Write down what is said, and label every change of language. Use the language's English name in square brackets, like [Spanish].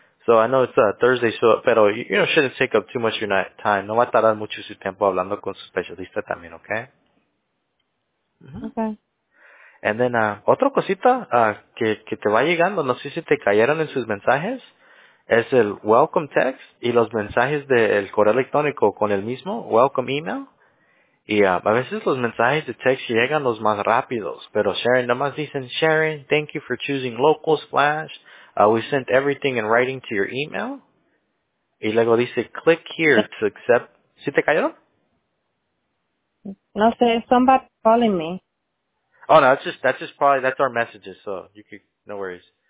[English] So I know it's a Thursday, pero you know, shouldn't take up too much of your time. [Spanish] No va a tardar mucho su tiempo hablando con su especialista también, okay? Okay. [English] And then, [Spanish] otra cosita que te va llegando, no sé si te cayeron en sus mensajes, es el welcome text y los mensajes del correo electrónico con el mismo welcome email. Y a veces los mensajes de text llegan los más rápidos. Pero Sharon, nomás dicen, [English] Sharon, thank you for choosing Local Splash. We sent everything in writing to your email. [Spanish] Y luego dice, [English] click here to accept. [Spanish] ¿Sí te cayeron? [English] No sé, somebody calling me. Oh, no, that's our messages. So, you could, no worries.